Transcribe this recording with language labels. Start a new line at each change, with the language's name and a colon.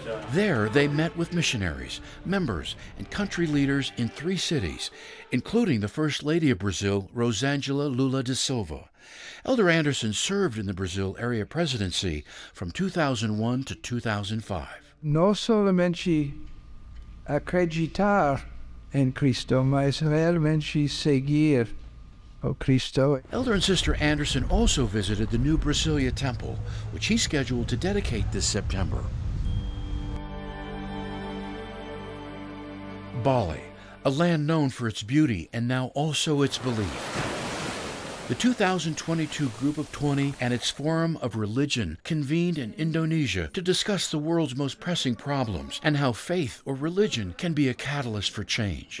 English: There, they met with missionaries, members, and country leaders in three cities, including the First Lady of Brazil, Rosângela Lula da Silva. Elder Anderson served in the Brazil Area Presidency from 2001 to 2005.
Portuguese: Não somente acreditar em Cristo, mas realmente seguir o Cristo.
English: Elder and Sister Anderson also visited the new Brasilia Temple, which he scheduled to dedicate this September. Bali, a land known for its beauty and now also its belief. The 2022 Group of 20 and its Forum of Religion convened in Indonesia to discuss the world's most pressing problems and how faith or religion can be a catalyst for change.